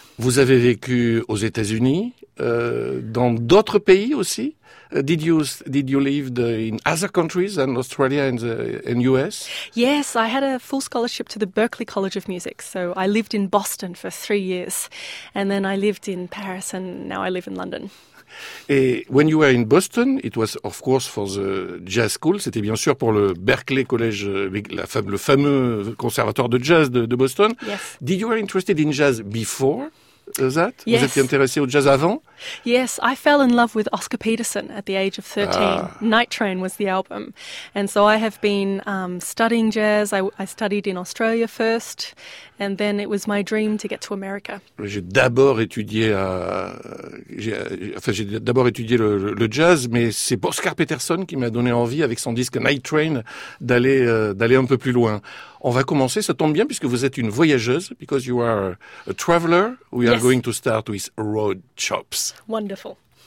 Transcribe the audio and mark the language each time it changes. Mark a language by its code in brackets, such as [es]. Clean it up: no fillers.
[fr] Vous avez vécu aux États-Unis, dans d'autres pays aussi. [en] Did you live in other countries than Australia and the US? Yes, I had a full scholarship to the Berklee College of Music. So I lived in Boston for 3 years and then I lived in Paris and now I live in London. Et when you were in Boston, it was of course for the jazz school. [fr] C'était bien sûr pour le Berklee College, le fameux conservatoire de jazz de Boston. [en] Yes. Did you were interested in jazz before? That? Yes. [fr] Vous étiez intéressé au jazz avant? [en] Yes, I fell in love with Oscar Peterson at the age of 13. Night Train was the album. And so I have been studying jazz. I studied in Australia first. And then it was my dream to get to America. [fr] J'ai d'abord étudié le jazz, mais c'est Oscar Peterson qui m'a donné envie, avec son disque Night Train, d'aller un peu plus loin. On va commencer, ça tombe bien, puisque vous êtes une voyageuse. [en] Because you are a traveler, we are going to start with Road Chops. Wonderful.